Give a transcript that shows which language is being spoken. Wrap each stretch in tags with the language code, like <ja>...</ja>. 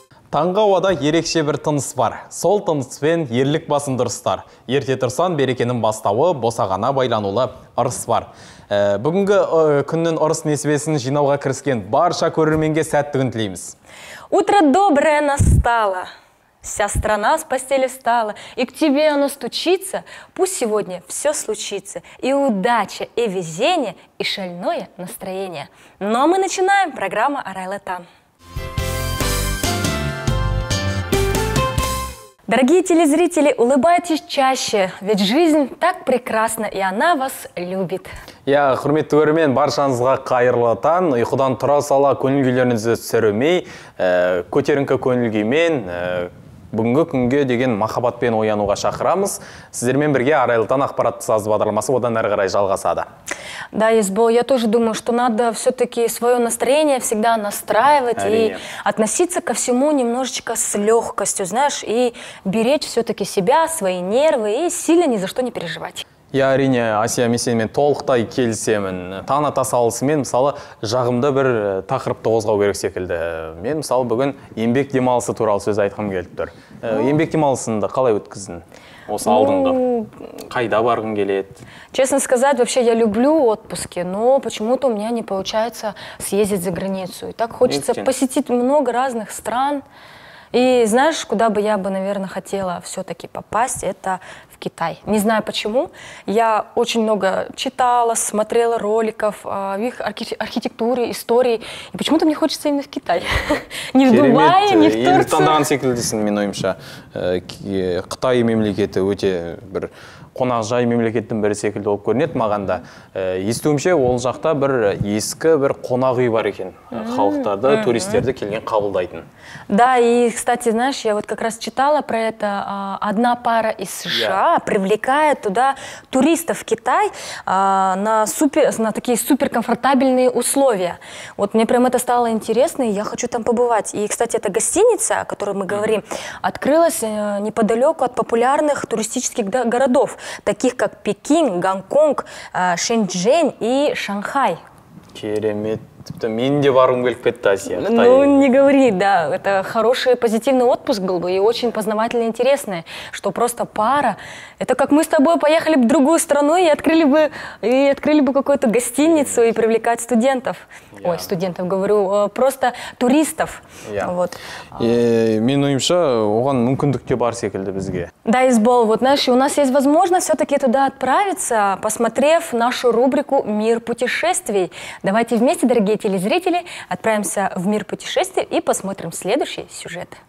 <kk>Таңға ауада ерекше бір тыныс бар. Сол тынысыпен ерлік басын дұрыстар. Ерте тұрсан, берекенің бастауы босағана байланулы ырыс бар. Бүгінгі күннің ырыс несібесін жинауға кіріскен барша көрерменге сәттігін тілейміз.</kk> <ru>Утро доброе настало. Вся страна с постели встала, и к тебе оно стучится. Пусть сегодня все случится, и удача, и везение, и шальное настроение. Ну а мы начинаем программу «Арайлы таң». Дорогие телезрители, улыбайтесь чаще, ведь жизнь так прекрасна, и она вас любит.</ru> <kk>Я, құрметті көрермен, баршаңызға қайырлы таң. Ұйқыдан тұра сала көңіл-күйлеріңізді түсірмей, көтеріңкі көңіл-күймен, бүгінгі күнге деген махаббатпен оянуға шақырамыз. Сіздермен бірге «Арайлы таң» ақпаратты саз бағдарламасы одан әрі қарай жалғасады.</kk> <ru>Да, Есбо, я тоже думаю, что надо все-таки свое настроение всегда настраивать и относиться ко всему немножечко с легкостью, знаешь, и беречь все-таки себя, свои нервы и сильно ни за что не переживать.</ru> <kk>Я, әрине, Асия, мен сенімен толықтай келісемін. Таң ата салысымен, мысалы, жағымды бір тақырыпты қозғау керек секілді. Мен, мысалы, бүгін еңбек демалысы туралы сөз айтқым келіп тұр. Еңбек демалысында қалай өткіздің? Осы алдыңғы, қайда барғың келеді?</kk> <ru>Честно сказать, вообще я люблю отпуски, но почему-то у меня не получается съездить за границу. И так хочется посетить много разных стран. И знаешь, куда бы я бы, наверное, хотела все-таки попасть, это в Китай. Не знаю почему, я очень много читала, смотрела роликов в их архитектуре, истории. И почему-то мне хочется именно в Китай. Не в Дубае, не в Турции.</ru> <kk>Керемет, таңдаған секілдісің мен ойымша. Қытай мемлекеті өте бір қонақжай мемлекеттің бірі секілді олып көрінеді мағанда. Естуімше, ол жақта бір ескі бір қонақ үй бар екен. Халықтарды, туристерді келген қабылдайтын.</kk> <ru>Да, и, кстати, знаешь, я вот как раз читала про это. Одна пара из США привлекает туда туристов в Китай на такие суперкомфортабельные условия. Вот мне прям это стало интересно, и я хочу там побывать. И, кстати, эта гостиница, о которой мы говорим, открылась неподалеку от популярных туристических городов, таких как Пекин, Гонконг, Шэньчжэнь и Шанхай.</ru> <kk>Керемет. Тіпті мен де барғым келіп кетті, Асия.</kk> <ru>Ну, не говори, да. Это хороший, позитивный отпуск был бы и очень познавательно интересный, что просто пара. Это как мы с тобой поехали в другую страну и открыли бы какую-то гостиницу и привлекать студентов. Ой, студентов говорю, просто туристов. Вот.</ru> <kk>Мен ойымша, оған мүмкіндікте бар секілді бізге.</kk> <ru>Да, Есбол, вот знаешь, у нас есть возможность все-таки туда отправиться, посмотрев нашу рубрику «Мир путешествий». Давайте вместе, дорогие телезрители, отправимся в мир путешествий и посмотрим следующий сюжет.</ru>